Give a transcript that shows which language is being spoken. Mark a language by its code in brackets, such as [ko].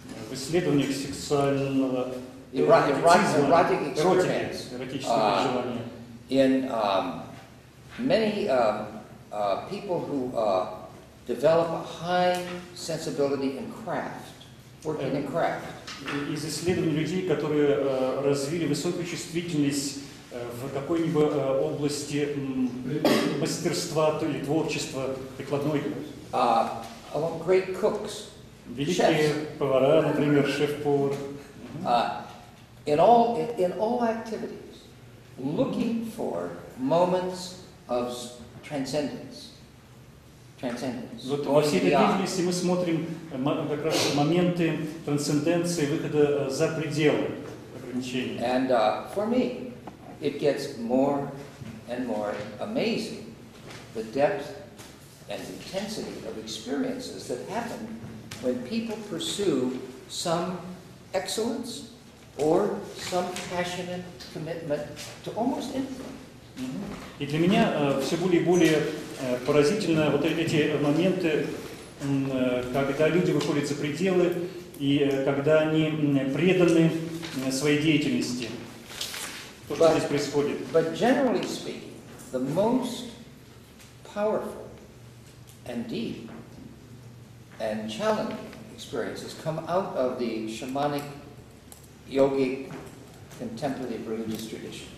[ru] В исследованиях сексуального эротического желания. [en] In many people who develop a high sensibility and craft, working in craft. [ru] Из исследований людей, которые развили высокую чувствительность в какой-нибудь области мастерства или творчества прикладной. [en] Among great cooks, [ru] великие повара, например, шеф-повар. [en] In all activities, looking for moments of transcendence. [ru] Вот во всей этой деятельности мы смотрим как раз моменты трансценденции, выхода за пределы ограничений. [en] And for me, it gets more and more amazing the depth and intensity of experiences that happen when people pursue some excellence or some passionate commitment to almost anything. [ru] И для меня все более и более поразительно вот эти моменты, когда люди выходят за пределы и когда они преданы своей деятельности, то, что здесь происходит. [en] But generally speaking, the most powerful and deep and challenging experiences come out of the shamanic, yogic, contemplative religious traditions.